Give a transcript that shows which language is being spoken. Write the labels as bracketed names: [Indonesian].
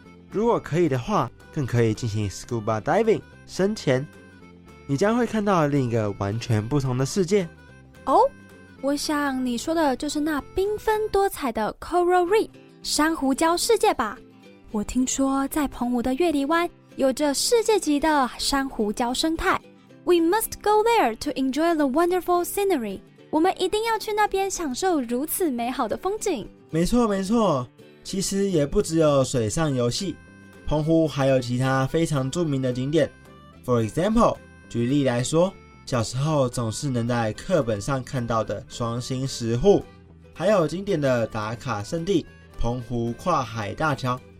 [Chinese] 如果可以的话，更可以进行 scuba diving 深潜，你将会看到另一个完全不同的世界。哦，我想你说的就是那缤纷多彩的 coral reef 珊瑚礁世界吧？我听说在澎湖的月里湾有着世界级的珊瑚礁生态。 [English] We must go there to enjoy the wonderful scenery. [Chinese] 我们一定要去那边享受如此美好的风景。没错，没错。其实也不只有水上游戏，澎湖还有其他非常著名的景点。 [English] For example, [Chinese] 举例来说，小时候总是能在课本上看到的双星石户，还有经典的打卡圣地澎湖跨海大桥。